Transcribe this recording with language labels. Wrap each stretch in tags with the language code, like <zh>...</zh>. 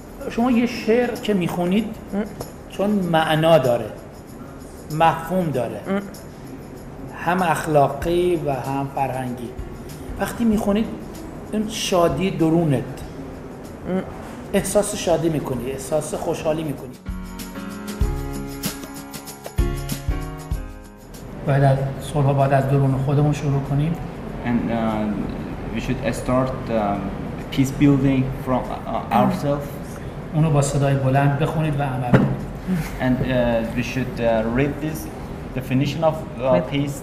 <fa>شما یه شعر که میخونید چون معنا داره، مفهوم داره، هم اخلاقی و هم فرهنگی، وقتی میخونید اون شادی درونت، احساس شادی میکنی، احساس خوشحالی میکنی. باید از صلح باید از درون خودمون شروع کنیم.</fa> <en>And we should start peace building from ourselves.</en> <fa>اونو با صدای بلند بخونید و عمل کنید.</fa> <en>And we should read this definition of peace</en>